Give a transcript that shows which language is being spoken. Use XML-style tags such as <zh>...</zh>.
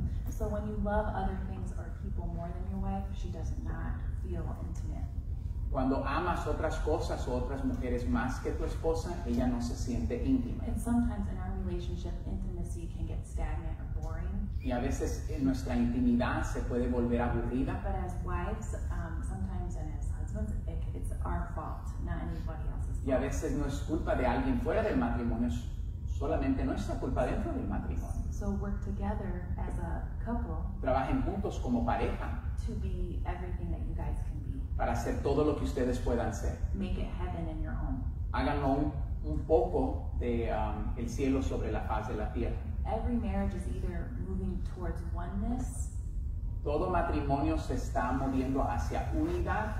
<en>So when you love other things or people more than your wife, she does not feel intimate.</en> <es>Cuando amas otras cosas o otras mujeres más que tu esposa, ella no se siente íntima.</es> <en>And sometimes in our relationship, intimacy can get stagnant or boring.</en> <es>Y a veces en nuestra intimidad se puede volver aburrida.</es> <en>But as wives, sometimes and as husbands, it's our fault, not anybody else's fault.</en> <es>Y a veces no es culpa de alguien fuera del matrimonio, es solamente nuestra culpa dentro del matrimonio.</es> <en>So work together as a couple.</en> <es>Trabajen juntos como pareja.</es> <en>To be everything that you guys can be.</en> <es>Para hacer todo lo que ustedes puedan ser.</es> <en>Make it heaven in your home.</en> <es>Háganlo un poco de el cielo sobre la faz de la tierra.</es> <en>Every marriage is either moving towards oneness.</en> <es>Todo matrimonio se está moviendo hacia unidad.</es>